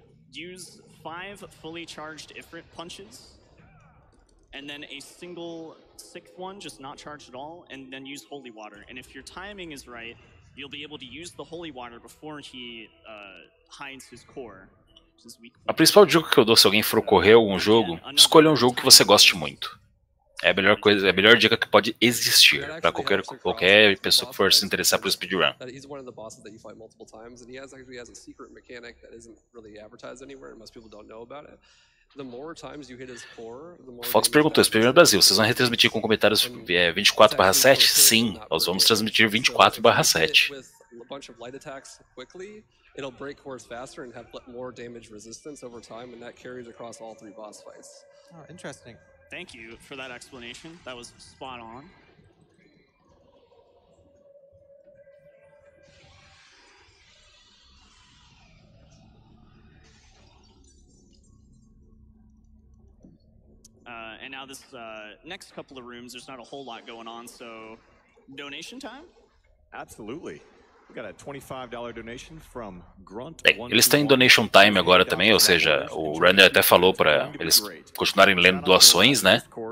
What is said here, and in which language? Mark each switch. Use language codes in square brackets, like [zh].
[en] Use 5 fully charged Ifrit punches, and then a single 6th one, just not charged at all, and then use Holy Water. And if your timing is right, you'll be able to use the Holy Water before he hides his core. [pt] A principal dica que eu dou se alguém for correr algum jogo, escolha um jogo que você goste muito. É a melhor dica que pode existir para qualquer pessoa que for se interessar por speedrun. [en] He's one of the bosses that you fight multiple times, and he has a secret mechanic that isn't really advertised anywhere, and most people don't know about it. The more times you hit his core, the more. [pt] Fox perguntou: Speedrun Brasil, vocês vão retransmitir com comentários 24/7? Sim, nós vamos transmitir 24/7. [en] With a bunch of light attacks quickly, it'll break cores faster and have more damage resistance over time, and that carries across all three boss fights. Oh, interesting. Thank you for that explanation. That was spot on. And now this next couple of rooms, there's not a whole lot going on, so donation time? Absolutely. We got a $25 donation from Grunt. [pt] Bem, eles têm donation time agora também, ou seja, o Randy até falou para eles continuarem lendo doações, né?